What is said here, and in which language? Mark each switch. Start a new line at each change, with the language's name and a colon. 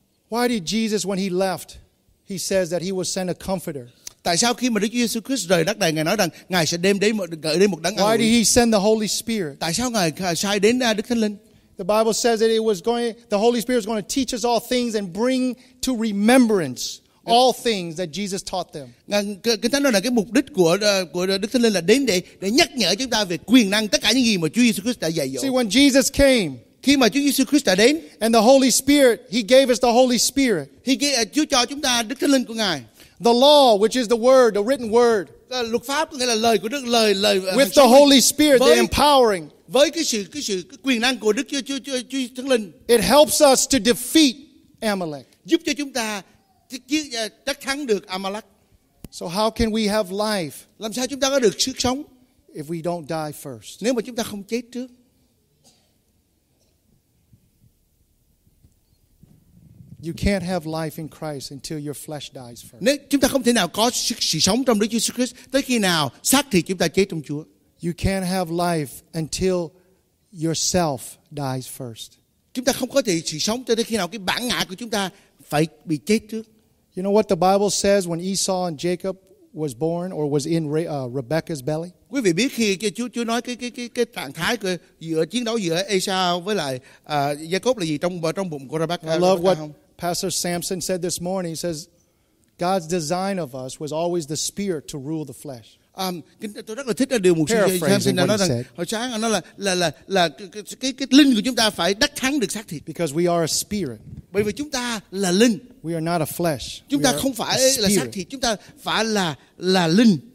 English: Why did Jesus, when he left, he says that he was sent a comforter?
Vietnamese: Tại sao khi mà Đức Chúa Jesus Christ rời đất này, Ngài nói rằng Ngài sẽ gửi đến một đấng an ủi?
English: Why did he send the Holy Spirit?
Vietnamese: Tại sao Ngài sai đến Đức Thánh Linh?
English: The Bible says that the Holy Spirit is going to teach us all things and bring to remembrance all things that Jesus taught them.
Vietnamese: Kinh Thánh nói là cái mục đích của Đức Thánh Linh là đến để nhắc nhở chúng ta về quyền năng tất cả những gì mà Chúa Jesus Christ đã dạy dỗ.
English: See, when Jesus came,
Vietnamese: khi mà Chúa Jesus Christ đã đến,
English: and the Holy Spirit, He gave us the Holy Spirit.
Vietnamese: Chúa cho chúng ta Đức Thánh Linh của Ngài.
English: The law, which is the word, the written word.
Vietnamese: Luật pháp nghĩa là lời của Đức, lời.
English: With the Holy Spirit, the empowering.
Vietnamese: Với cái quyền năng của Đức Chúa Thánh Linh.
English: It helps us to defeat Amalek.
Vietnamese: Giúp cho chúng ta chắc thắng được Amalek.
English: So how can we have life?
Vietnamese: Làm sao chúng ta có được sức sống?
English: If we don't die first.
Vietnamese: Nếu mà chúng ta không chết trước.
English: You can't have life in Christ until your flesh dies first.
Vietnamese: Nếu chúng ta không thể nào có sự sống trong Đức Jesus Christ tới khi nào xác thịt chúng ta chết trong Chúa.
English: You can't have life until yourself dies first.
Vietnamese: Chúng ta không có thể sự sống cho tới khi nào cái bản ngã của chúng ta phải bị chết trước.
English: You know what the Bible says when Esau and Jacob was born or was in Rebekah's belly?
Vietnamese: Quý vị biết khi Chúa nói cái trạng thái của giữa chiến đấu giữa Esau với lại Jacob là gì trong bụng của Rebekah?
English: I love what Pastor Samson said this morning. He says, God's design of us was always the spirit to rule the flesh.
Vietnamese: Tôi rất là thích điều mục sư Samson đã nói rằng hồi sáng anh nói là cái linh của chúng ta phải đắc thắng được xác thịt.
English: Because we are a spirit.
Vietnamese: Bởi vì chúng ta là linh.
English: We are not a flesh.
Vietnamese: Chúng ta không phải là xác thịt, chúng ta phải là linh.